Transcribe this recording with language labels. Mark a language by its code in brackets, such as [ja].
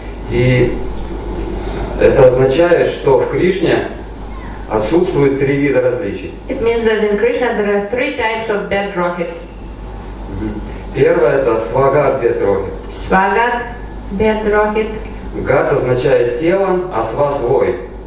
[ru] И это означает, что в Кришне отсутствует три вида различий. [en] It means that in Krishna there are three types of Бетрохит. [ru] Первое это Свагат Бетрохит. Свагат Бетрохит. Гат означает тело, а сва свой.